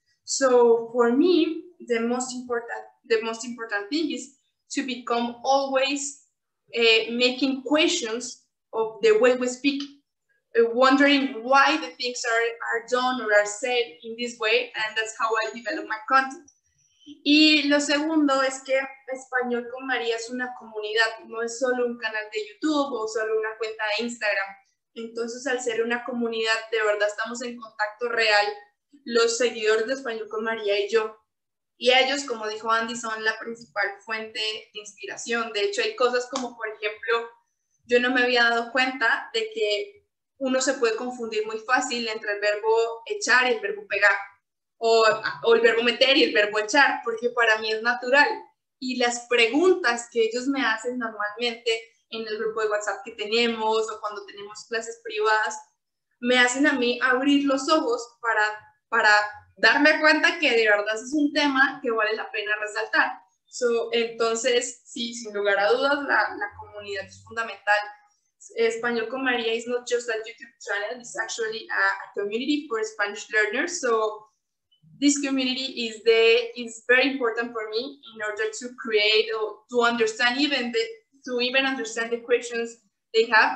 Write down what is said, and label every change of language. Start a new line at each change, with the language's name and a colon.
English: So for me, the most important thing is to become always making questions of the way we speak, wondering why the things are done or are said in this way, and that's how I develop my content.
Spanish: Y lo segundo es que Español con María es una comunidad, no es solo un canal de YouTube o solo una cuenta de Instagram. Entonces, al ser una comunidad, de verdad estamos en contacto real, los seguidores de Español con María y yo. Y ellos, como dijo Andy, son la principal fuente de inspiración. De hecho, hay cosas como, por ejemplo, yo no me había dado cuenta de que uno se puede confundir muy fácil entre el verbo echar y el verbo pegar, o el verbo meter y el verbo echar, porque para mí es natural. Y las preguntas que ellos me hacen normalmente en el grupo de WhatsApp que tenemos o cuando tenemos clases privadas, me hacen a mí abrir los ojos para darme cuenta que de verdad es un tema que vale la pena resaltar. So, entonces, sí, sin lugar a dudas, la comunidad es fundamental.
English: Español con María is not just a YouTube channel, it's actually a community for Spanish learners. So this community is very important for me in order to create or to understand even understand the questions they have.